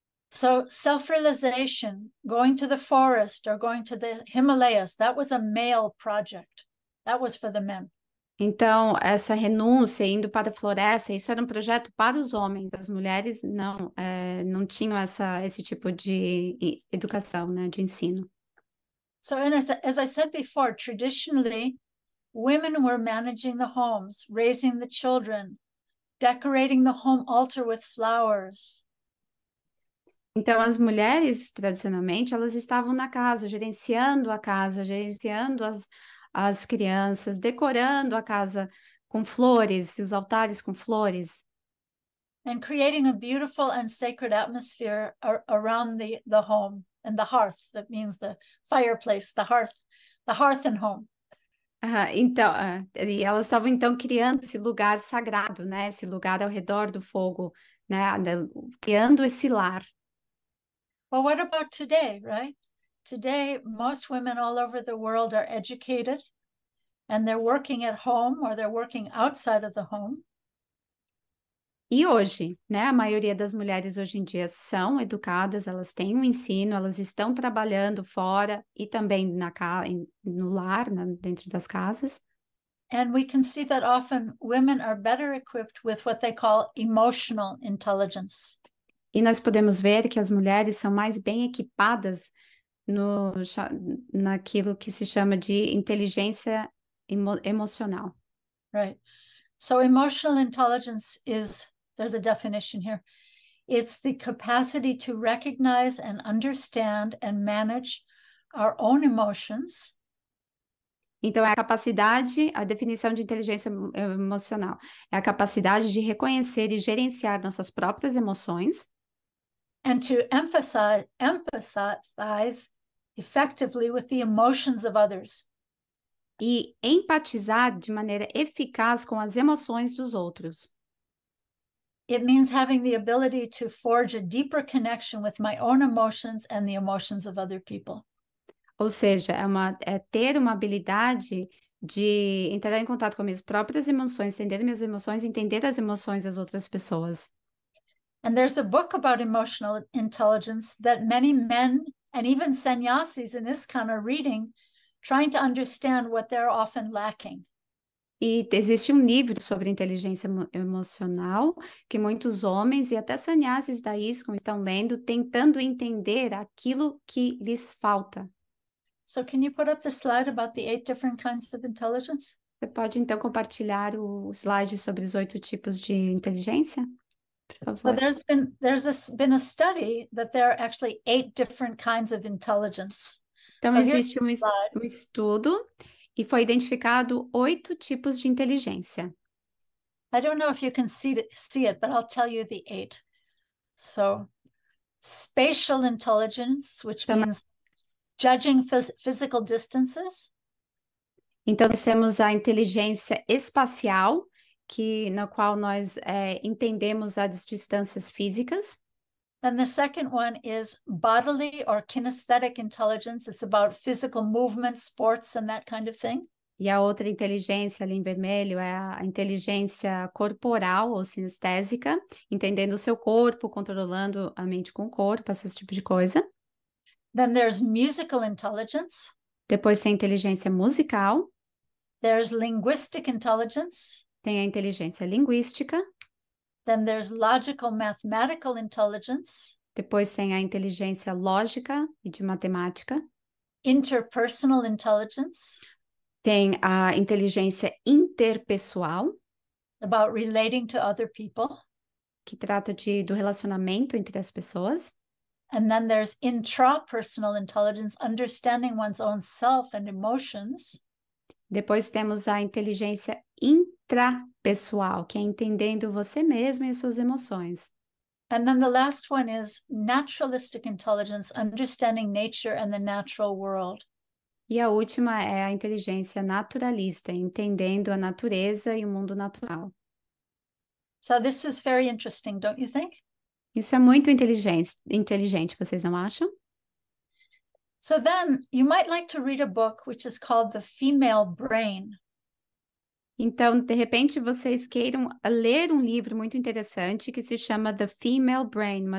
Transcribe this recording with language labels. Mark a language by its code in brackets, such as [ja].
[en] So self-realization, going to the forest or going to the Himalayas, that was a male project. That was for the men. [pt] Então, essa renúncia, indo para a floresta, isso era um projeto para os homens. As mulheres não tinham esse tipo de educação, né, de ensino. [en] So as I said before, traditionally, women were managing the homes, raising the children, decorating the home altar with flowers. [pt] Então, as mulheres, tradicionalmente, elas estavam na casa, gerenciando a casa, gerenciando as crianças, decorando a casa com flores, os altares com flores. [en] And creating a beautiful and sacred atmosphere around the home and the hearth, that means the fireplace, the hearth and home. [pt] E elas estavam então criando esse lugar sagrado, né? Esse lugar ao redor do fogo, né? Criando esse lar. [en] Well, what about today, right? Today, most women all over the world are educated and they're working at home or they're working outside of the home. [pt] E hoje, né, a maioria das mulheres hoje em dia são educadas, elas têm um ensino, elas estão trabalhando fora e também na no lar, na, dentro das casas. [en] And we can see that often women are better equipped with what they call emotional intelligence. [pt] E nós podemos ver que as mulheres são mais bem equipadas no, naquilo que se chama de inteligência emocional. [en] Right. So emotional intelligence is, there's a definition here. It's the capacity to recognize and understand and manage our own emotions. [pt] Então, é a capacidade, a definição de inteligência emocional. É a capacidade de reconhecer e gerenciar nossas próprias emoções. [en] And to empathize effectively with the emotions of others. [pt] E empatizar de maneira eficaz com as emoções dos outros. [en] It means having the ability to forge a deeper connection with my own emotions and the emotions of other people. [pt] Ou seja, é ter uma habilidade de entrar em contato com as minhas próprias emoções, entender minhas emoções, entender as emoções das outras pessoas. [en] And there's a book about emotional intelligence that many men and even sannyasis in ISKCON are reading, trying to understand what they're often lacking. [pt] E existe um livro sobre inteligência emocional que muitos homens e até sannyasis da ISKCON estão lendo, tentando entender aquilo que lhes falta. [en] So can you put up the slide about the 8 different kinds of intelligence? [pt] Você pode então compartilhar o slide sobre os 8 tipos de inteligência? [en] So there's been a study that there are actually 8 different kinds of intelligence. [pt] Então existe um estudo e foi identificado 8 tipos de inteligência. [en] I don't know if you can see it, but I'll tell you the 8. So spatial intelligence, which means judging physical distances. [pt] Então nós temos a inteligência espacial, que na qual nós entendemos as distâncias físicas. [en] And the second one is bodily or kinesthetic intelligence. It's about physical movement, sports, and that kind of thing. [pt] E a outra inteligência ali em vermelho é a inteligência corporal ou sinestésica, entendendo o seu corpo, controlando a mente com o corpo, esse tipo de coisa. [en] Then there's musical intelligence. [pt] Depois tem inteligência musical. [en] There's linguistic intelligence. [pt] Tem a inteligência linguística. [en] Then there's logical mathematical intelligence. [pt] Depois tem a inteligência lógica e de matemática. [en] Interpersonal intelligence. [pt] Tem a inteligência interpessoal. [en] About relating to other people. [pt] Que trata do relacionamento entre as pessoas. [en] And then there's intrapersonal intelligence, understanding one's own self and emotions. [pt] Depois temos a inteligência intrapessoal, que é entendendo você mesmo e as suas emoções. [en] And then the last one is naturalistic intelligence, understanding nature and the natural world. [pt] E a última é a inteligência naturalista, entendendo a natureza e o mundo natural. [en] So this is very interesting, don't you think? [pt] Isso é muito inteligente, vocês não acham? [en] So then, you might like to read a book which is called The Female Brain. [pt] Então, de repente, vocês queiram ler um livro muito interessante que se chama The Female Brain.